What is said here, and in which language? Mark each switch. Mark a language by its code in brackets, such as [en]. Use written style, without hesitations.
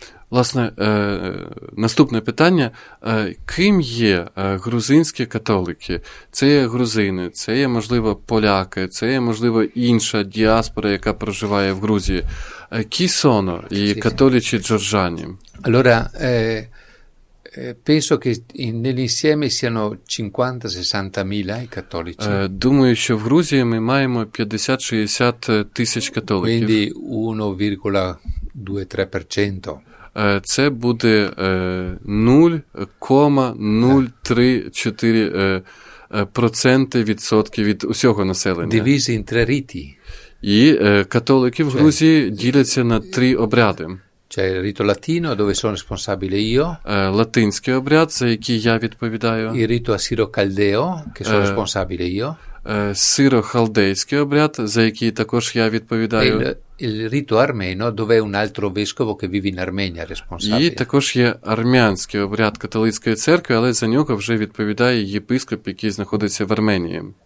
[uk] Власне, наступне питання. Ким є грузинські католики? Це є грузини, це є, можливо, поляки, це є, можливо, інша діаспора, яка проживає в Грузії. [it] Chi sono i cattolici georgiani? Allora, penso che nell'insieme siano 50-60 mila i cattolici. [uk] Думаю, що в Грузії ми маємо 50-60 тисяч католиків. [it] Quindi 1,2-3%. [uk] Це буде 0,034% відсотки від усього населення. [it] Divisi in tre riti. [uk] І католики в Грузії діляться на три обряди. [it] Це рито латино, dove sono responsabile io. [uk] Латинський обряд, за який я відповідаю. [it] І рито асиро-калдео, che sono responsabile io. [uk] Сиро-халдейський обряд, за який також я відповідаю. [it] Il rito armeno, dove un altro vescovo che vive in Armenia responsabile. [uk] І також є армянський обряд католицької церкви, але за нього вже відповідає єпископ, який знаходиться в Арменії.